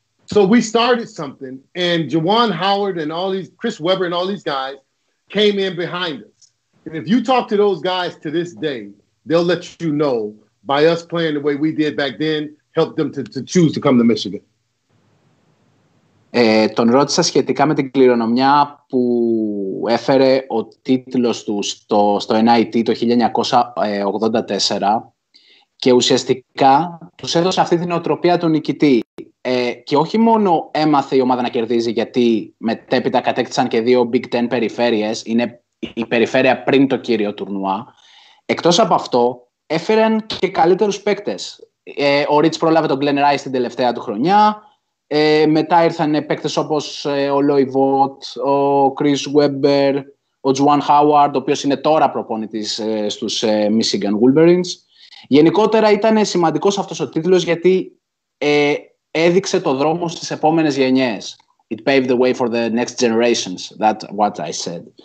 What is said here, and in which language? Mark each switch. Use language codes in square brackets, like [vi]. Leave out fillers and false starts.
[en] So we started something, and Juwan Howard and all these, Chris Webber and all these guys came in behind us. And if you talk to those guys to this day, they'll let you know by us playing the way we did back then, helped them to choose to come to Michigan. [el] Τον ρώτησα σχετικά με την κληρονομιά που έφερε ο τίτλος του στο NIT το 1984. Και ουσιαστικά τους έδωσε αυτή την νοοτροπία του νικητή. Και όχι μόνο έμαθε η ομάδα να κερδίζει, γιατί μετέπειτα κατέκτησαν και δύο Big Ten περιφέρειες. Είναι η περιφέρεια πριν το κύριο τουρνουά. Εκτός από αυτό, έφεραν και καλύτερους παίκτες. Ο Ρίτς πρόλαβε τον Glenn Rice την τελευταία του χρονιά. Μετά ήρθαν παίκτες όπως ο Lloyd Vaught, ο Chris Webber, ο Juwan Howard, ο οποίος είναι τώρα προπονητής στους Michigan Wolverines. Γενικότερα ήταν σημαντικός αυτός ο τίτλος γιατί έδειξε το δρόμο στις επόμενες γενιές. [en] It paved the way for the next generations, that's what I said.